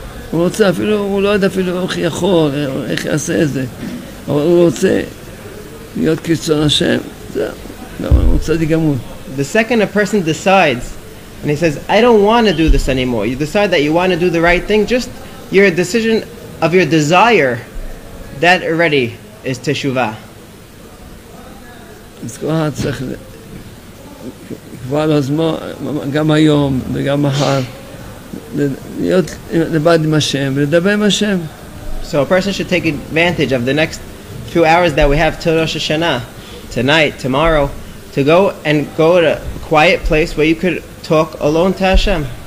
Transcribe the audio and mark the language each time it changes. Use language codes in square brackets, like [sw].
[he] הוא רוצה אפילו, הוא לא יודע אפילו איך יכול, איך יעשה את זה. אבל הוא רוצה להיות כרצון השם, זהו. הוא רוצה לגמור. [en] The second a person decides, and he says, I don't want to do this anymore. You decide that you want to do the right thing, just your decision of your desire, that already is teshuvah. [he] אז כל אחד צריך כבר לא זמן, גם היום וגם מחר. [en] So a person should take advantage of the next few hours that we have till Rosh Hashanah, tonight, tomorrow, to go and go to a quiet place where you could talk alone to Hashem.